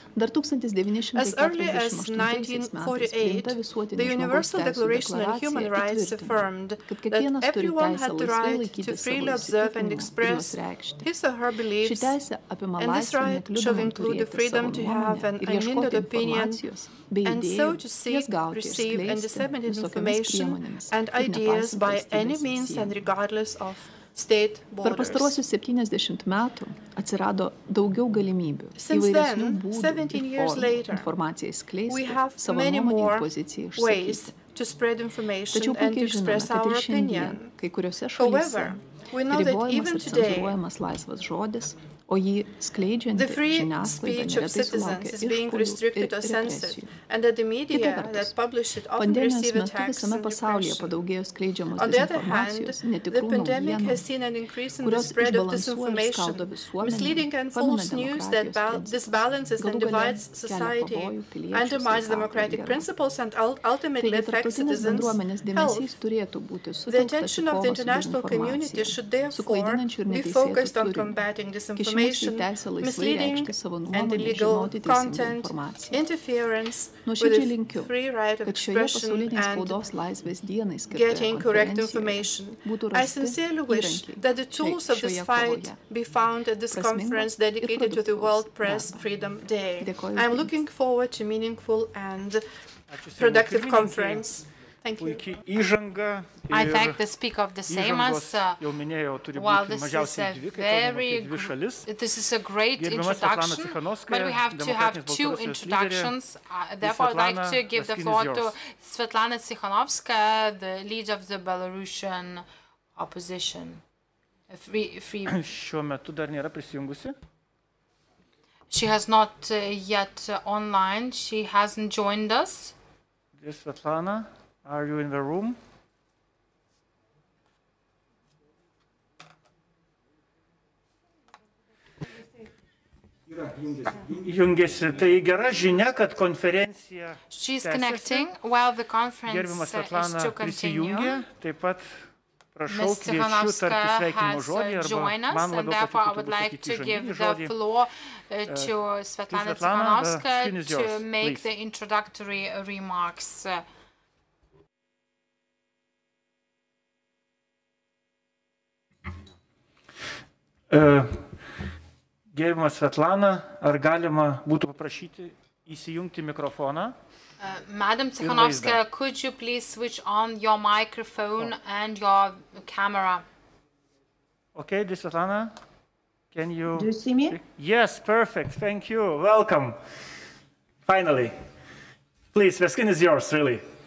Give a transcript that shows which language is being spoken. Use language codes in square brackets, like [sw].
[en] As early as 1948, the Universal Declaration on Human Rights affirmed that everyone had the right to freely observe and express his or her beliefs, and this right should include the freedom to have an unhindered opinion and so to seek, receive, and disseminate information and ideas by any means and regardless of state borders. [lt] Per pastaruosius 70 metų atsirado daugiau galimybių įvairesnių būdų informaciją skleisti, savo nuomonę ir poziciją išsakyti. Tačiau puikiai žinome, kad ir šiandien kai kuriuose šalyse ribojamas ir cenzūruojamas laisvas žodis, o jį skleidžianti žiniasklaida neretai sulaukia iškūdų ir represijų. Kita vertus, pandemijos metu visame pasaulyje padaugėjo skleidžiamos dezinformacijos, netikrų naujienų, kurios išbalansuoja ir skaldo visuomenę, pamina demokratijos principus, galų gale kelia pavojų piliečių sveikatą ir gerą. Taigi, tarptautinės bendruomenės dėmesys turėtų būti sutelktas į kovą su dezinformacija, su klaidinančiu ir neteisėtu turiniu. [en] Misleading and illegal content, interference with the free right of expression and getting correct information. I sincerely wish that the tools of this fight be found at this conference dedicated to the World Press Freedom Day. I am looking forward to meaningful and productive conference. Thank you. I thank the Speaker of the Seimas. While this is a very this is a great introduction, but we have to have two introductions. Therefore, I'd like to give the floor to Sviatlana Tsikhanouskaya, the leader of the Belarusian opposition. [lt] Šiuo metu dar nėra prisijungusi. [en] She has not yet online. She hasn't joined us. Sviatlana. Are you in the room? [lt] Jungiasi. Tai gera žinia, kad konferencija. [en] She's connecting while the conference is to continue. [lt] Taip pat prašau kviečiu tarti sveikinimo žodį, arba man labiau patiktų būtų sakyti žodinį žodį. [en] To Svetlana Tsikhanouskaya to make the introductory remarks. [lt] Gerbiama Svetlana, ar galima būtų paprašyti įsijungti mikrofoną? [en] Madam Tsikhanouskaya, could you please switch on your microphone and your camera? Okay, this is Svetlana. Can you? Do you see me? Yes, perfect. Thank you. Welcome. Finally. Please, the skin is yours, really.